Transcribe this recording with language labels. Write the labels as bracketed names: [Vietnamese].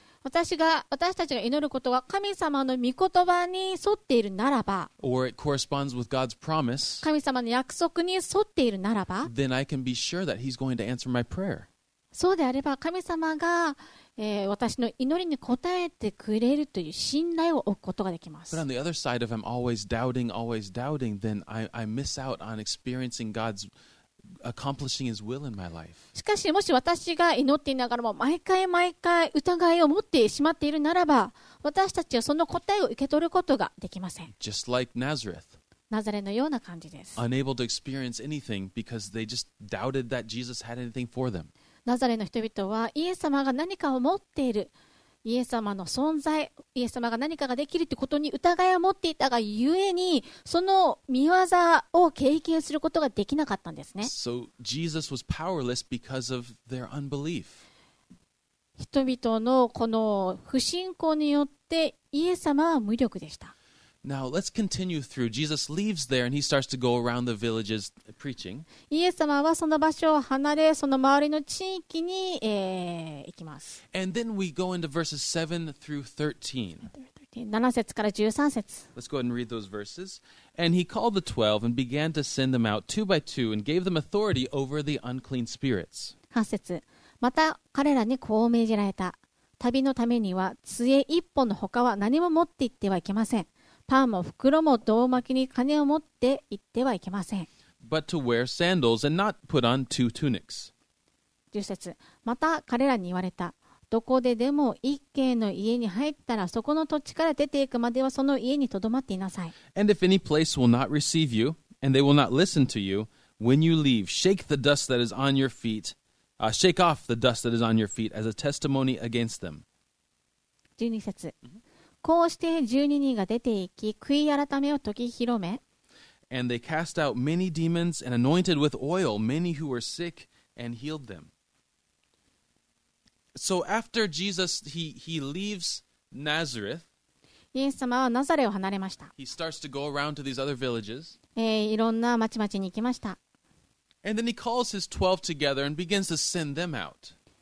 [Japanese] 私たちが祈ることが神様の御言葉に沿っているならば、 [English] Or it corresponds with God's promise, [Japanese] 神様の約束に沿っているならば、 [English] Then I can be sure that he's going to answer my prayer. [Japanese] そうであれば、神様が、私の祈りに応えてくれるという信頼を置くことができます。 [English] But on the other side, if I'm always doubting, then I miss out on experiencing God'sAccomplishing his will in my life. [Japanese] しかしもし私が祈っていながらも毎回毎回疑いを持ってしまっているならば、私たちはその答えを受け取ることができません。 [English] Just like Nazareth. [Japanese] ナザレのような感じです。 [English] Unable to experience anything because they just doubted that Jesus had anything for them. [Japanese] ナザレの人々はイエス様が何かを持っている、イエス様の存在、イエス様が何かができるということに疑いを持っていたがゆえに、その見業を経験することができなかったんですね。 [English] So, Jesus was powerless because of their unbelief. [Japanese] 人々のこの不信仰によってイエス様は無力でした。 [English] Now, let's continue through. Jesus leaves there and he starts to go around the villages preaching. [Japanese] イエス様はその場所を離れ、その周りの地域に、行きます。 [English] And then we go into verses 7 through 13. [Japanese] 7節から13節。 [English] Let's go ahead and read those verses. And he called the twelve and began to send them out two by two and gave them authority over the unclean spirits. [Japanese] 8節。また彼らにこう命じられた。旅のためには杖一本の他は何も持って行ってはいけません。パンも袋も胴巻きに金を持って行ってはいけません。 [English] But to wear sandals and not put on two tunics. [Japanese] 10節。また彼らに言われた。どこででも一軒の家に入ったらそこの土地から出ていくまではその家にとどまっていなさい。 [English] And if any place will not receive you, and they will not listen to you, when you leave, shake the dust that is on your feet, shake off the dust that is on your feet as a testimony against them. [Japanese] 12節。Mm-hmm. こうして12人が出て行き、悔い改めを説き広め。 [English] And they cast out many demons and anointed with oil many who were sick and healed them. So after Jesus, he leaves Nazareth. [Japanese] イエス様はナザレを離れました。 [English] He starts to go around to these other villages. [Japanese] いろんな町々に行きました。 [English] And then he calls his twelve together and begins to send them out.